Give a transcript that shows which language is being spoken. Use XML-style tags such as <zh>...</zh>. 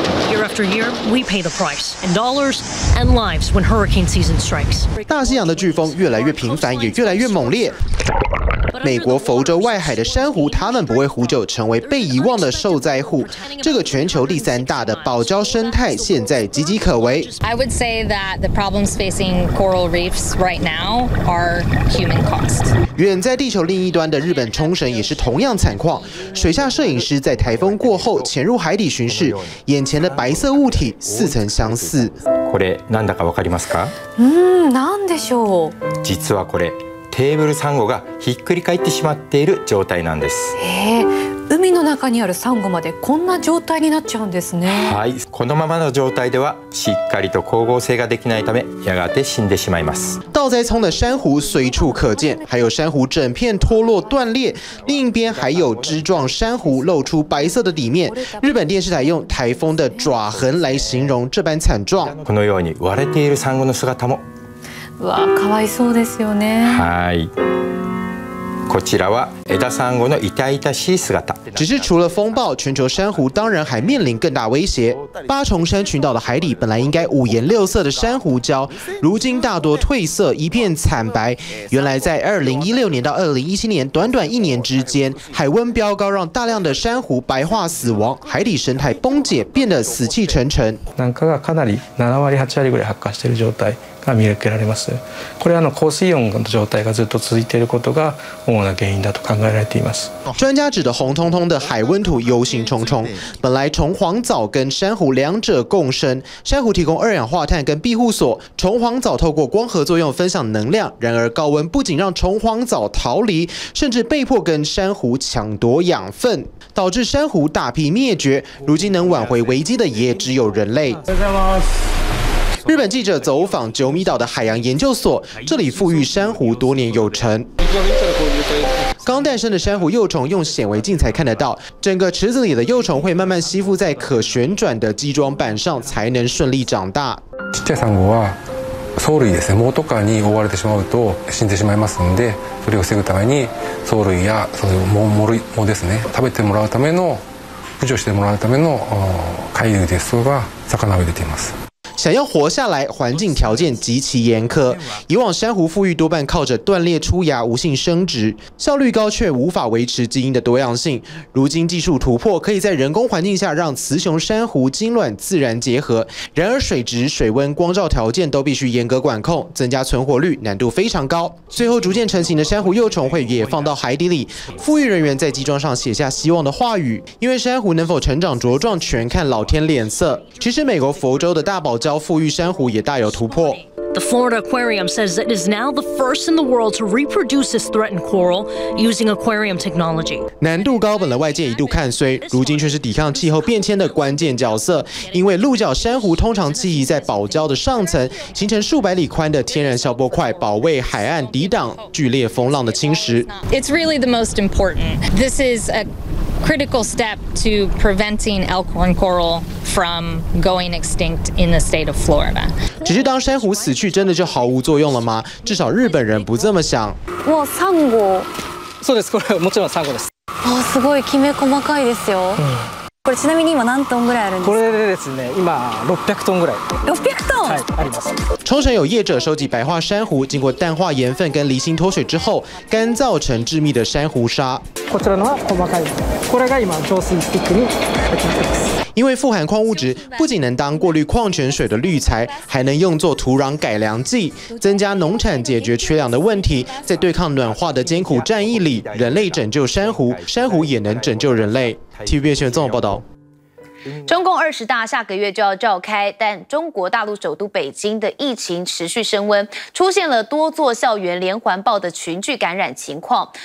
<en>Year after year, we pay the price in dollars and lives when hurricane season strikes.</en> <zh>大西洋的飓风越来越频繁，也越来越猛烈。美国佛州外海的珊瑚，他们不会呼救，成为被遗忘的受灾户。这个全球第三大的堡礁生态现在岌岌可危。</zh> <en>I would say that the problems facing coral reefs right now are human caused.</en> <zh>远在地球另一端的日本冲绳也是同样惨况。水下摄影师在台风过后潜入海底巡视，眼前的白色物体似曾相似。</zh> <ja>これなんだかわかりますか？なんでしょう？実はこれ。テーブルサンゴがひっくり返ってしまっている状態なんです。海の中にあるサンゴまでこんな状態になっちゃうんですね。はい、このままの状態ではしっかりと光合成ができないため、やがて死んでしまいます。</ja> <zh>稻栽葱的珊瑚随处可见，还有珊瑚整片脱落断裂，另一边还有枝状珊瑚露出白色的底面。日本电视台用台风的爪痕来形容这般惨状。</zh> <ja>このように割れているサンゴの姿も。わあ、かわいそうですよね。はい。こちらは枝サンゴの痛々しい姿。</ja> <zh>只是除了风暴，全球珊瑚当然还面临更大威胁。八重山群岛的海底本来应该五颜六色的珊瑚礁，如今大多褪色，一片惨白。原来在2016年到2017年短短一年之间，海温飙高，让大量的珊瑚白化死亡，海底生态崩解，变得死气沉沉。</zh> <ja>なんかがかなり7割8割ぐらい発火している状態。見受けられます。これは高水温の状態がずっと続いていることが主な原因だと考えられています。</ja> <zh>专家指的红彤彤的海温图忧心忡忡。本来虫黄藻跟珊瑚两者共生，珊瑚提供二氧化碳跟庇护所，虫黄藻透过光合作用分享能量。然而高温不仅让虫黄藻逃离，甚至被迫跟珊瑚抢夺养分，导致珊瑚大批灭绝。如今能挽回危机的也只有人类。日本记者走访九米岛的海洋研究所，这里富裕珊瑚多年有成。刚诞生的珊瑚幼虫用显微镜才看得到，整个池子里的幼虫会慢慢吸附在可旋转的基桩板上，才能顺利长大。</zh> <ja>ちっちゃいサンゴは藻類ですね、藻とかに覆われてしまうと死んでしまいますので、それを防ぐために藻類やその藻類もですね、食べてもらうための駆除してもらうための海流ですとか魚を入れています。</ja> <zh>想要活下来，环境条件极其严苛。以往珊瑚富裕多半靠着断裂出芽无性生殖，效率高却无法维持基因的多样性。如今技术突破，可以在人工环境下让雌雄珊瑚精卵自然结合。然而水质、水温、光照条件都必须严格管控，增加存活率难度非常高。最后逐渐成型的珊瑚幼虫会也放到海底里，富裕人员在基桩上写下希望的话语，因为珊瑚能否成长茁壮全看老天脸色。其实美国佛州的大堡礁富裕珊瑚也大有突破。</zh> <en>The Florida Aquarium says it is now the first in the world to reproduce this threatened coral using aquarium technology.</en> <zh>难度高，本来外界一度看衰，如今却是抵抗气候变迁的关键角色。因为鹿角珊瑚通常栖息在堡礁的上层，形成数百里宽的天然消波块，保卫海岸，抵挡剧烈风浪的侵蚀。</zh> <en>It's really the most important. This is a critical step to preventing elkhorn coral from going extinct in the state of Florida.</en> <zh>只是当珊瑚死去真的就毫无作用了吗？至少日本人不这么想。</zh> <ja>哇，サンゴ。そうです、これもちろんサンゴです。哇，すごいきめ細かいですよ。これちなみに今何トンぐらいあるんですか？これでですね、今600トンぐらい。 600トン。はい、あります。</ja> <zh>冲绳有业者收集白化珊瑚，经过淡化盐分跟离心脱水之后，干燥成致密的珊瑚沙。</zh> <ja>こちらのは細かい。これが今浄水スティックに入っています。</ja> <zh>因为富含矿物质，不仅能当过滤矿泉水的滤材，还能用作土壤改良剂，增加农产，解决缺粮的问题。在对抗暖化的艰苦战役里，人类拯救珊瑚，珊瑚也能拯救人类。 TVBS 新闻报道。中共二十大下个月就要召开，但中国大陆首都北京的疫情持续升温，出现了多座校园连环爆的群聚感染情况。</zh>